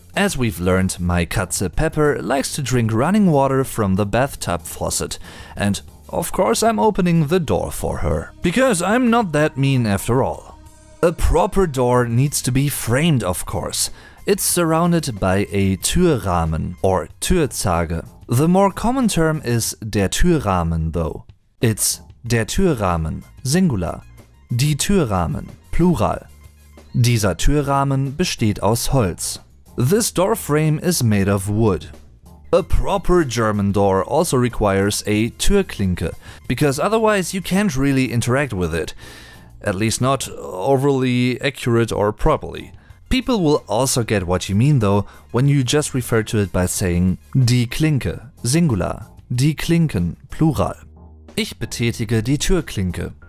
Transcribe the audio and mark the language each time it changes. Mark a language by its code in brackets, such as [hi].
[en] As we've learned, my Katze Pepper likes to drink running water from the bathtub faucet, and of course I'm opening the door for her. Because I'm not that mean after all. A proper door needs to be framed, of course. It's surrounded by a Türrahmen or Türzarge. The more common term is der Türrahmen though. It's [de] Der Türrahmen, Singular. Die Türrahmen, Plural. Dieser Türrahmen besteht aus Holz. [en] This door frame is made of wood. A proper German door also requires a Türklinke, because otherwise you can't really interact with it. At least not overly accurate or properly. People will also get what you mean though, when you just refer to it by saying die Klinke, Singular, die Klinken, Plural. [de] Ich betätige die Türklinke.